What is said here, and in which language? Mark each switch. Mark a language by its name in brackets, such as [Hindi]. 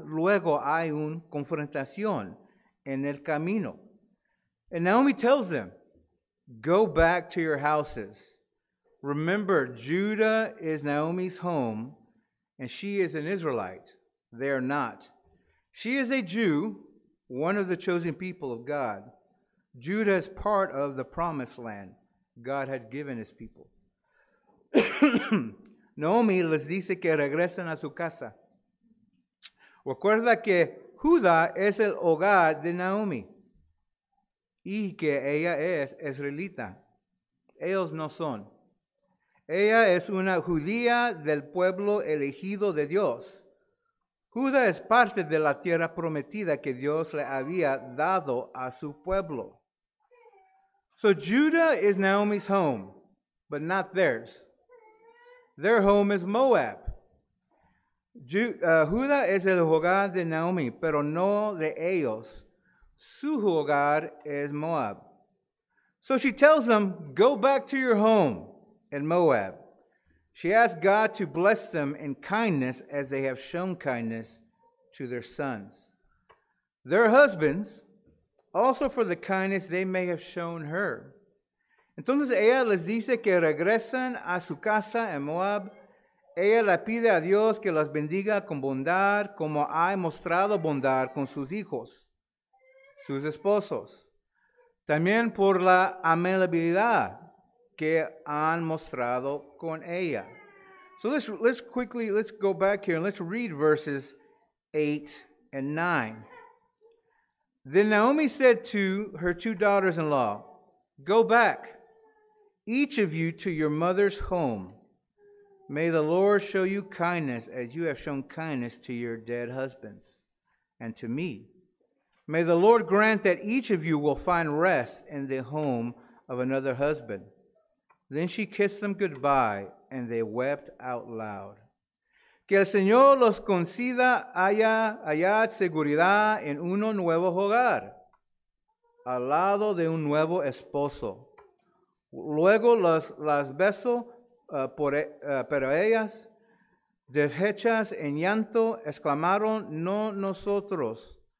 [Spanish] Luego hay una confrontación en el camino. [English] And Naomi tells them, go back to your houses. Remember, Judah is Naomi's home, and she is an Israelite. They are not. She is a Jew, one of the chosen people of God. Judah is part of the promised land God had given his people. [Spanish] Naomi les dice que regresen a su casa. Recuerda que Judá es el hogar de Naomi y que ella es israelita. Ellos no son. Ella es una judía del pueblo elegido de Dios. Judá es parte de la tierra prometida que Dios le había dado a su pueblo. [English] So Judah is Naomi's home, but not theirs. Their home is Moab. [Spanish] Judá es el hogar de Naomi, pero no de ellos. Su hogar es Moab. [English] So she tells them, go back to your home in Moab. She asks God to bless them in kindness as they have shown kindness to their sons. Their husbands, also for the kindness they may have shown her. [Spanish] Entonces ella les dice que regresen a su casa en Moab. Ella le pide a Dios que las bendiga con bondad como ha mostrado bondad con sus hijos, sus esposos. También por la amabilidad que han mostrado con ella. [English] So let's go back here and let's read verses 8 and 9. Then Naomi said to her two daughters-in-law, go back, each of you to your mother's home. May the Lord show you kindness as you have shown kindness to your dead husbands and to me. May the Lord grant that each of you will find rest in the home of another husband. Then she kissed them goodbye, and they wept out loud. [Spanish] Que el Señor los conceda hallar seguridad en uno nuevo hogar, al lado de un nuevo esposo. Luego las beso pero ellas, deshechas en llanto, exclamaron, no nosotros.